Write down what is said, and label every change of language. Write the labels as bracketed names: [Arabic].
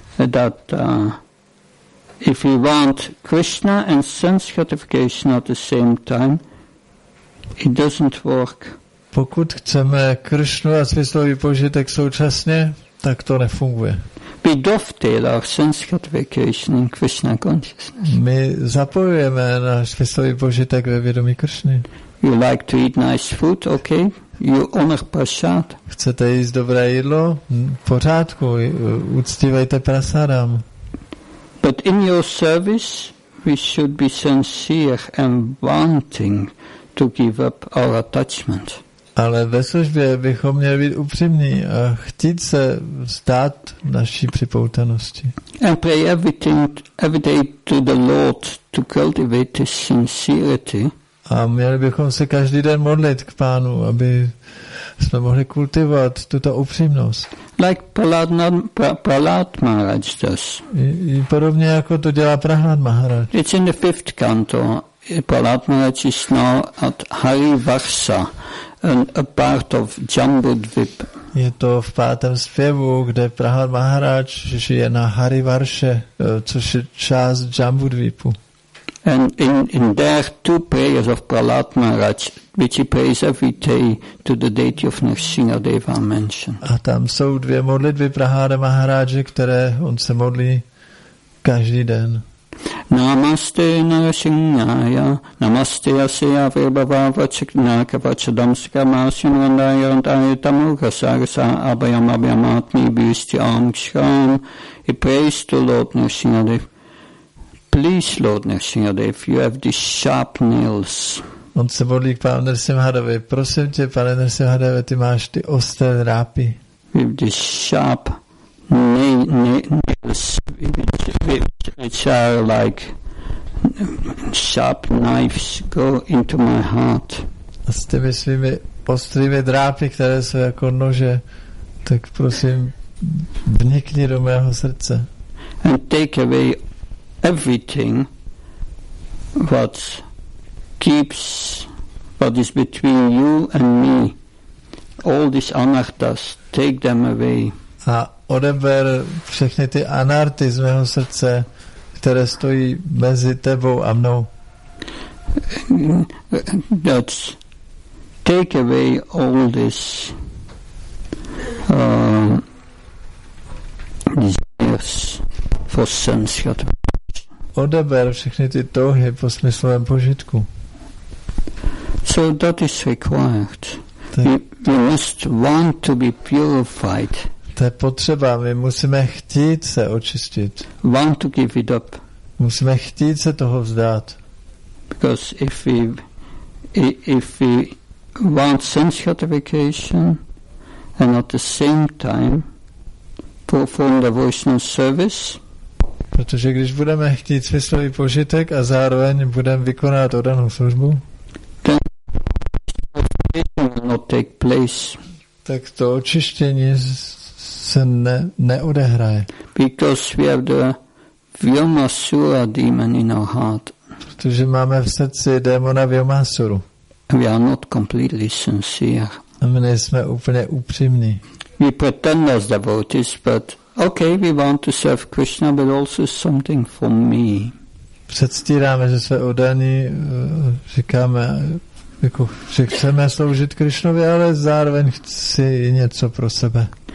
[English] That if we want Krishna and sense gratification at the same time, it doesn't work. [Czech] Pokud chceme Krishnu a smyslový požitek současně, tak to nefunguje. [English] We dovetail our sense gratification in Krishna consciousness. [Czech] My zapojujeme náš smyslový požitek ve vědomí Kršny. [English] You like to eat nice food, okay? You honor prasad. [Czech] Chcete jíst dobré jídlo? Pořádku, uctívejte prasadam. [English] But in your service, we should be sincere and wanting to give up our attachment. [Czech] Ale ve službě bychom měli být upřímní a chtít se vzdát naší připoutanosti. [English] And pray every day to the Lord to cultivate sincerity. [Czech] A měli bychom se každý den modlit k Pánu, aby jsme mohli kultivovat tuto upřímnost. [English] Like Prahlad Maharaj does. [Czech] I podobně jako to dělá Prahlad Maharaj. [English] It's in the fifth canto. Prahlad Maharaj is now at Harivarsa, a part of Jambudvip. [Czech] Je to v pátém zpěvu, kde Prahlad Maharaj žije na Harivarše, což je část Jambudvipu. [English] And in there two prayers of Prahlad Maharaj, which he prays every day to the deity of Narsingha Deva mentioned. [Czech] A tam jsou dvě modlitby Prahlada Maharaje, které on se modlí každý den. [Sanskrit] Namaste Narsinghaya, namaste asya virbhavavacak nakavacadamsika masinvandayantaya tamukhasarsa abhyam abhyam atmi bhishti amksham. [English] He prays to Lord Narsingha Deva. Please, Lord Narsimhadev, you have these sharp nails. [Czech] On se modlí k Pánu Narsimhadevi. Prosím tě, Pane Narsimhadeve, ty máš ty ostré drápy. [English] With these sharp nails, which are like sharp knives, go into my heart. [Czech] A s těmi svými ostrými drápy, které jsou jako nože, tak prosím, vnikni do mého srdce. [English] And take away everything what keeps but is between you and me. All these anarthas, take them away. [Czech] A odeber všechny ty anarty z mého srdce, které stojí mezi tebou a mnou. [English] That's take away all this desires for sense gratification. [Czech] Odeber všechny ty touhy po smyslovém požitku. [English] So that is required. We must want to be purified. [Czech] To je potřeba, my musíme chtít se očistit. [English] Want to give it up. [Czech] Musíme chtít se toho vzdát. [English] Because if we want sense gratification and at the same time perform the devotional service. [Czech] Protože když budeme chtít smyslový požitek a zároveň budeme vykonávat oddanou službu, [English] then purification will not take place. [Czech] Tak to očištění se neodehraje. [English] Because we have the Vyomasura demon in our heart. [Czech] Protože máme v srdci démona Vyomasuru. [English] We are not completely sincere. [Czech] A my nejsme úplně upřímní. [English] We pretend as devotees, but okay, we want to serve Krishna, but also something for me. [Czech] Předstíráme, že jsme oddaní, říkáme, jako, že chceme sloužit Krishnovi, ale zároveň chci i něco pro sebe.